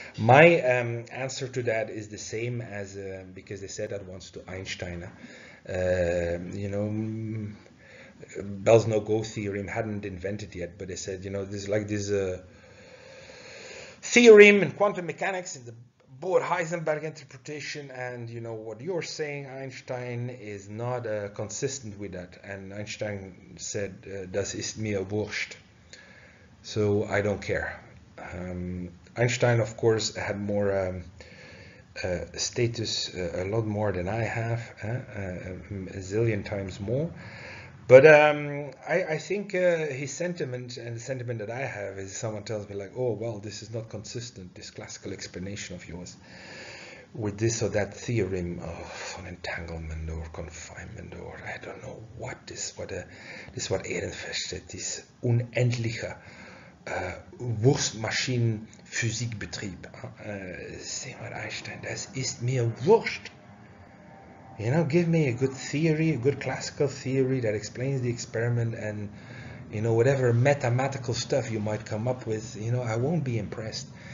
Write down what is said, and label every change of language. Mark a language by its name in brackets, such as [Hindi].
[English] My answer to that is the same as, because they said that once to Einstein, you know, Bell's no-go theorem hadn't invented yet, but they said, you know, this is like this theorem in quantum mechanics in the Bohr-Heisenberg interpretation, and you know what you're saying, Einstein, is not consistent with that. And Einstein said, [German] das ist mir wurscht, [English] so I don't care. Einstein, of course, had more status, a lot more than I have, a zillion times more. But I think his sentiment and the sentiment that I have is someone tells me like, oh, well, this is not consistent, this classical explanation of yours with this or that theorem of entanglement or confinement or I don't know what this, this is what Ehrenfest said, this [German] unendliche Wurstmaschinenphysikbetrieb. [English] Same with Einstein, [German] das ist mir wurscht. [English] You know, give me a good theory, a good classical theory that explains the experiment and, you know, whatever mathematical stuff you might come up with, you know, I won't be impressed.